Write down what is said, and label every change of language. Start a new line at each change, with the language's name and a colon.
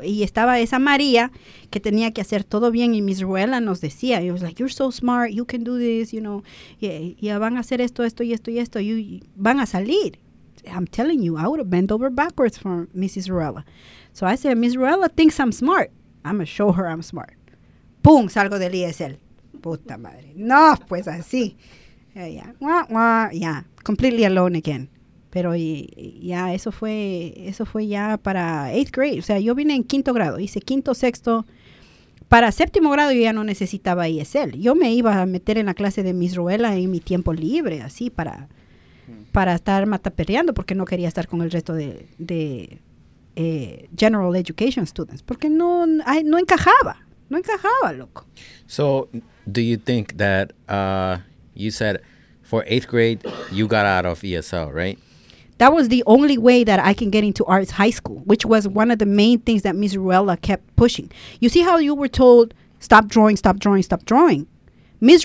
Spanish: Y estaba esa María que tenía que hacer todo bien. Y Miss Ruela nos decía,
English: it was like, you're so smart. You can do this, you know. Yeah,
Spanish: van a hacer esto, esto, y esto, y esto.
English: You
Spanish: van a salir.
English: I'm telling you, I would have bent over backwards for Mrs. Ruela. So I said, Miss Ruela thinks I'm smart. I'm going to show her I'm smart.
Spanish: Pum, salgo del ESL. Puta madre. No, pues así.
English: Yeah, yeah. Wah, wah. Yeah, completely alone again.
Spanish: Pero ya eso fue ya para
English: eighth grade.
Spanish: O sea, yo vine en quinto grado, hice quinto, sexto. Para séptimo grado yo ya no necesitaba ESL. Yo me iba a meter en la clase de Miss Ruela en mi tiempo libre, así, para estar mataperreando, porque no quería estar con el resto de
English: general education students,
Spanish: porque no encajaba, loco.
English: So, do you think that, you said for eighth grade, you got out of ESL, right? That was the only way that I can get into arts high school, which was one of the main things that Ms. Ruela kept pushing. You see how you were told, stop drawing, stop drawing, stop drawing. Ms.